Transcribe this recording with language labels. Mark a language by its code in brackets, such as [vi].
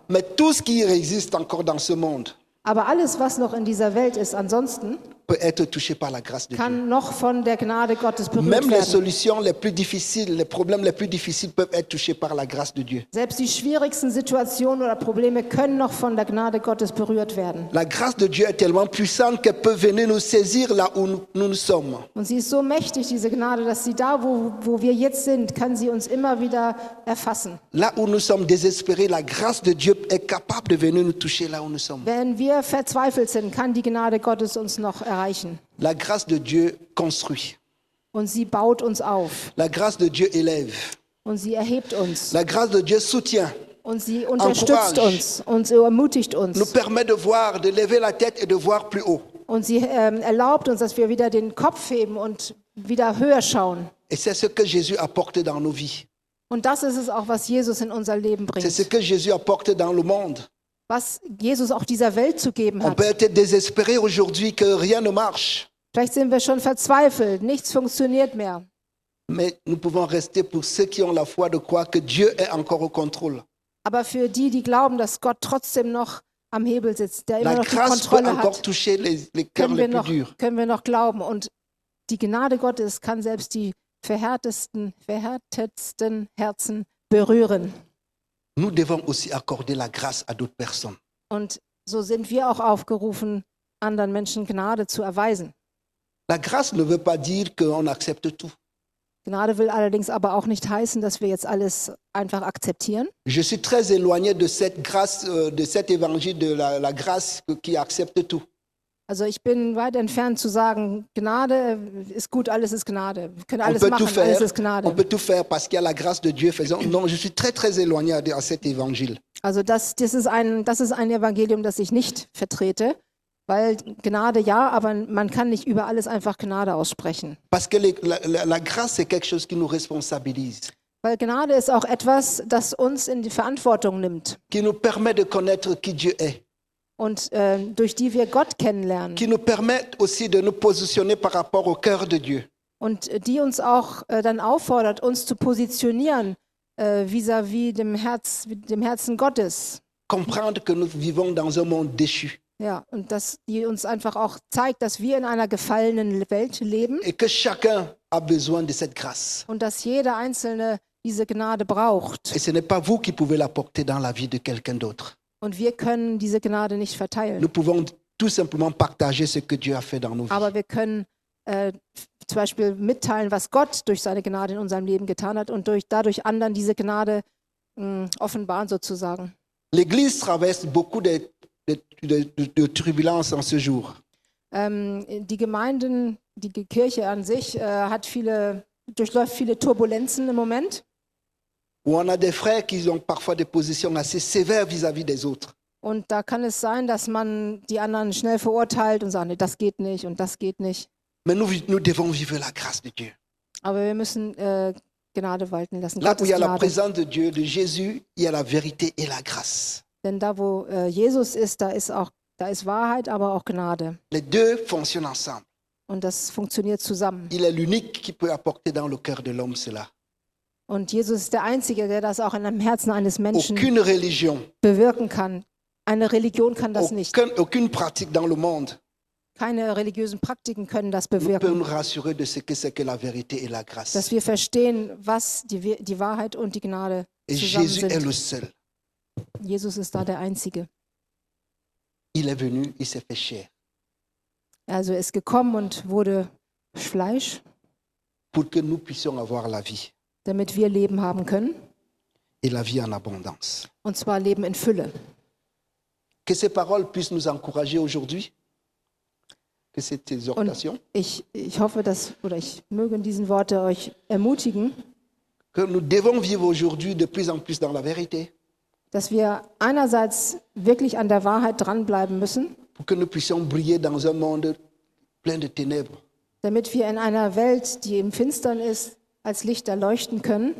[fr] Mais tout ce qui existe encore dans ce monde. [de] Aber alles was noch in dieser Welt ist ansonsten [fr] peut être touché par la grâce de [de] kann [fr] Dieu. [de] Noch von der Gnade Gottes berührt [fr] Même [de] werden. [fr] Même les solutions les plus difficiles, les problèmes les plus difficiles peuvent être touchés par la grâce de Dieu. [de] Selbst die schwierigsten Situationen oder Probleme können noch von der Gnade Gottes berührt werden. [fr] La grâce de Dieu est tellement puissante qu'elle peut venir nous saisir là où nous sommes. [de] Und sie ist so mächtig diese Gnade, dass sie da wo wir jetzt sind, kann sie uns immer wieder erfassen. [fr] Là où nous sommes désespérés, la grâce de Dieu est capable de venir nous toucher là où nous sommes. [de] Wenn wir verzweifelt sind, kann die Gnade Gottes uns noch erreichen. [fr] La grâce de Dieu construit. [de] Und sie baut uns auf. [fr] La grâce de Dieu élève. [de] Und sie erhebt uns. [fr] La grâce de Dieu soutient. [de] Und sie unterstützt uns und ermutigt uns. [fr] Nous permet de voir, de lever la tête et de voir plus haut. [de] Und sie erlaubt uns, dass wir wieder den Kopf heben und wieder höher schauen. [fr] Et c'est ce que Jésus apporte dans nos vies. [de] Und das ist es auch, was Jesus in unser Leben bringt. [fr] C'est ce que Jésus apporte dans le monde. [de] Was Jesus auch dieser Welt zu geben hat. [fr] On peut être désespéré aujourd'hui que rien ne marche. [de] Vielleicht sind wir schon verzweifelt, nichts funktioniert mehr. [fr] Mais nous pouvons rester pour ceux qui ont la foi de croire que Dieu est encore au contrôle. [de] Aber für die, die glauben, dass Gott trotzdem noch am Hebel sitzt, der [fr] la [de] immer noch die Kontrolle [fr] peut encore [de] hat, [fr] toucher les cœurs les plus durs. [de] Können wir noch glauben. Und die Gnade Gottes kann selbst die verhärtetsten Herzen berühren. [fr] Nous devons aussi accorder la grâce à d'autres personnes. [de] Und so sind wir auch aufgerufen, anderen Menschen Gnade zu erweisen. [fr] La grâce ne veut pas dire qu'on accepte tout. [de] Gnade will allerdings aber auch nicht heißen, dass wir jetzt alles einfach akzeptieren. [fr] Je suis très éloigné de cette grâce, de cet évangile de la grâce qui accepte tout. [de] Also ich bin weit entfernt zu sagen, Gnade ist gut, alles ist Gnade. Wir können alles machen, [fr] faire, [de] alles ist Gnade. [fr] On peut tout faire parce qu'il y a la grâce de Dieu faisant. Non, je suis très très éloigné à cet évangile. [de] Also das ist ein Evangelium, das ich nicht vertrete, weil Gnade ja, aber man kann nicht über alles einfach Gnade aussprechen. [fr] Parce que la grâce c'est quelque chose qui nous responsabilise. [de] Weil Gnade ist auch etwas, das uns in die Verantwortung nimmt. [fr] Qui nous permet de connaître qui Dieu est. [de] Und durch die wir Gott kennenlernen. [fr] Qui nous permettent aussi de nous positionner par rapport au cœur de Dieu. [de] Und die uns auch dann auffordert, uns zu positionieren vis-à-vis dem Herzen Gottes. [fr] Comprendre que nous vivons dans un monde déchu. [de] Ja, und dass die uns einfach auch zeigt, dass wir in einer gefallenen Welt leben. [fr] Et que chacun a besoin de cette grâce. [de] Und dass jeder Einzelne diese Gnade braucht. [fr] Et ce n'est pas vous qui pouvez l'apporter dans la vie de quelqu'un d'autre. [de] Und wir können diese Gnade nicht verteilen. [fr] Nous pouvons tout simplement partager ce que Dieu a fait dans nos vies. [de] Aber wir können zum Beispiel mitteilen, was Gott durch seine Gnade in unserem Leben getan hat und dadurch anderen diese Gnade offenbaren sozusagen. [fr] L'Église traverse beaucoup de turbulences en ce jour. [de] Die Gemeinden, die Kirche an sich durchläuft viele Turbulenzen im Moment. [fr] Où on a des frères qui ont parfois des positions assez sévères vis-à-vis des autres. [de] Und da kann es sein, dass man die anderen schnell verurteilt und sagt, nee, das geht nicht und das geht nicht. [fr] Mais nous, nous devons vivre la grâce de Dieu. [de] Aber wir müssen Gnade walten lassen. [fr] Là où il y a la présence de Dieu, de Jésus, il y a la vérité et la grâce. [de] Denn da wo Jesus ist, da ist Wahrheit, aber auch Gnade. [fr] Les deux fonctionnent ensemble. [de] Und das funktioniert zusammen. [fr] Il est l'unique qui peut apporter dans le cœur de l'homme cela. [de] Und Jesus ist der Einzige, der das auch in dem Herzen eines Menschen [fr] aucune religion, [de] bewirken kann. Eine Religion kann das nicht. [fr] Aucune pratique dans le monde. [de] Keine religiösen Praktiken können das bewirken. [fr] Nous pouvons nous rassurer de ce que c'est que la vérité et la grâce. [de] Dass wir verstehen, was die Wahrheit und die Gnade zusammen sind. [fr] Et Jésus Est le seul. [de] Jesus ist da der Einzige. [fr] Il est venu, il s'est fait chair. [de] Also ist gekommen und wurde Fleisch. [fr] Pour que nous puissions avoir la vie. [de] Damit wir Leben haben können. [fr] Et la vie en abondance. [de] Und zwar Leben in Fülle. [fr] Que ces paroles puissent nous encourager aujourd'hui. Que cette exhortation. [de] Ich hoffe, dass oder ich möge diesen Worte euch ermutigen. [fr] Que nous devons vivre aujourd'hui de plus en plus dans la vérité. [de] Dass wir einerseits wirklich an der Wahrheit dranbleiben müssen. [fr] Pour que nous puissions briller dans un monde plein de ténèbres. [de] Damit wir in einer Welt, die im Finstern ist, als Lichter leuchten können.